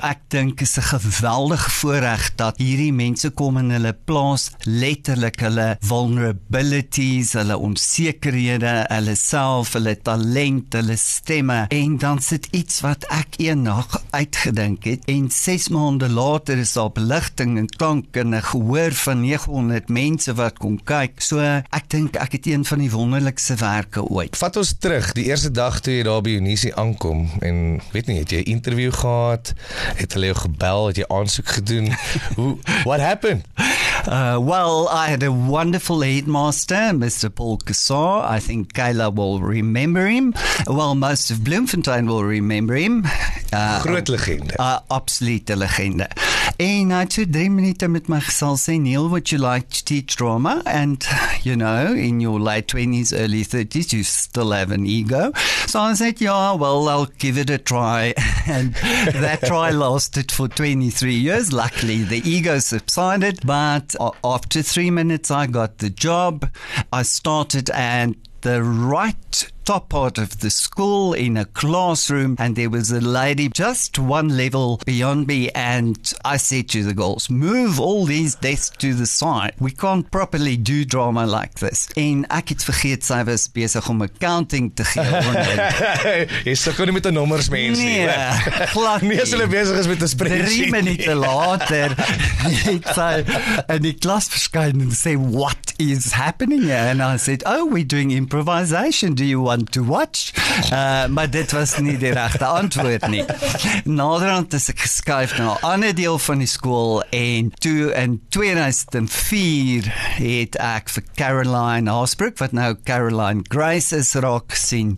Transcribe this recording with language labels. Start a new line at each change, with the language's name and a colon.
Afrikaans: Ek dink is 'n geweldige voorrecht dat hierdie mense kom in hulle plaas, letterlik hulle vulnerabilities, hulle onsekerhede, hulle self, hulle talent, hulle stemme. En dan sit iets wat ek een nag uitgedink het en 6 maande later is daar belichting en klank en een gehoor van 900 mense wat kon kyk. So ek dink ek het een van die wonderlikste werke ooit. Vat ons terug, die eerste dag toe jy daar by Eunice aankom en weet nie, het jy interview gehad, het hulle jou gebel, het jy aansoek gedoen,
English: what happened? Well, I had a wonderful headmaster, Mr. Paul Cassar. I think Kayla will remember him. Well, most of Bloemfontein will remember him.
Afrikaans: Groot legende. Absolute legende. En hy het so 3 minute met my gesels sê, Niel,
English: would you like to teach drama? And, you know, in your late 20s, early 30s, you still have an ego. So I said, yeah, well, I'll give it a try. And that try lasted for 23 years. Luckily, the ego subsided. But after 3 minutes, I got the job. I started and the right top part of the school in a classroom and there was a lady just one level beyond me and I said to the girls, move all these desks to the side. We can't properly do drama like this.
Afrikaans: En ek het vergeet, sy was besig om accounting te gee. Jy sukkel nie met die nommers, mens. Nee, glad nie. As hulle besig is met die spreadsheet. 3 minute later het sy in die klas verskyn en sê,
English: what is happening here? And I said, oh, we're doing improvisation. Do you want to watch?
Afrikaans: Maar dit was nie die regte antwoord nie. Naderhand is ek geskuif na 'n ander deel van die skool en toe in 2004 het ek vir Caroline Haasbroek, wat nou Caroline Grace is, raak gesien.